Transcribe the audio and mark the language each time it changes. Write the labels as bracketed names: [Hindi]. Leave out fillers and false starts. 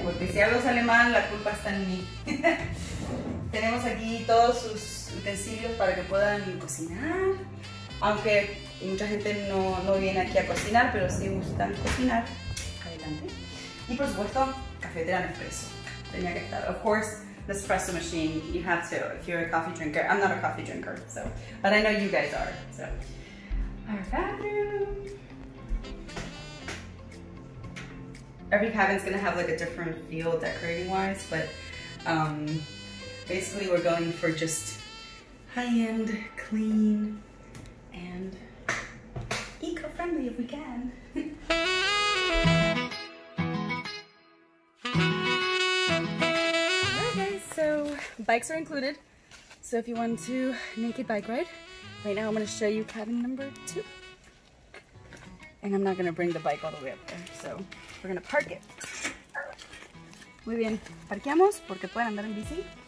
[Spanish] Porque si algo sale mal, la culpa está en mí. Tenemos aquí todos sus utensilios para que puedan cocinar, aunque mucha gente no viene aquí a cocinar, pero sí gustan cocinar. Adelante. Y por supuesto, cafetera Nespresso. Tenía que estar. [English] Of course, the espresso machine, you have to if you're a coffee drinker. I'm not a coffee drinker, so, but I know you guys are. So, our bathroom. Every cabin's gonna have like a different feel decorating wise, but basically we're going for just high-end, clean, and eco-friendly if we can. Okay, so bikes are included. So if you want to naked bike ride, right now I'm gonna show you cabin number two. And I'm not gonna bring the bike all the way up there, so we're gonna park it. [Spanish] Muy bien, parqueamos porque pueden andar en bici.